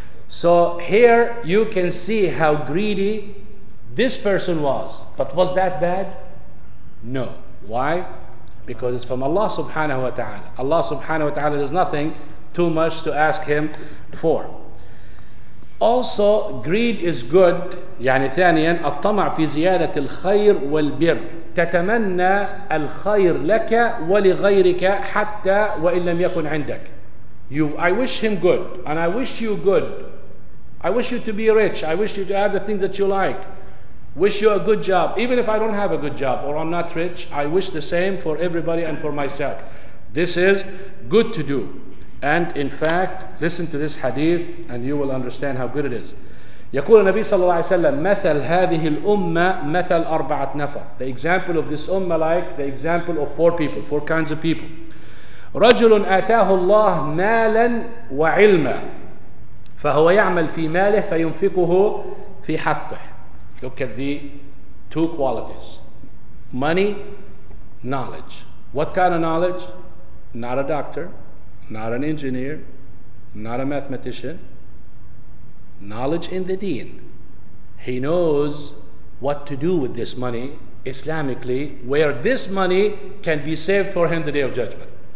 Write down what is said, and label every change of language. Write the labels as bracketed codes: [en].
[en] So here you can see how greedy this person was. But was that bad? No. Why? Because it's from Allah subhanahu wa ta'ala. Allah subhanahu wa ta'ala does nothing too much to ask him for. Also, greed is good. [ar] يعني ثانيا الطمع في زيادة الخير والبر تتمنى الخير لك ولغيرك حتى وإن لم يكن عندك. [en] I wish him good and I wish you good. I wish you to be rich. I wish you to have the things that you like. Wish you a good job. Even if I don't have a good job or I'm not rich, I wish the same for everybody and for myself. This is good to do. And in fact, listen to this hadith and you will understand how good it is. [ar] يقول النبي صلى الله عليه وسلم مثل هذه الأمة مثل أربعة نفر. [en] The example of this ummah like the example of four people, four kinds of people. [ar] رجل آتاه الله مالا وعلما فهو يعمل في ماله فينفقه في حقه. [en] Look at the two qualities. Money, knowledge. What kind of knowledge? Not a doctor, not an engineer, not a mathematician. Knowledge in the deen. He knows what to do with this money Islamically, where this money can be saved for him the day of judgment.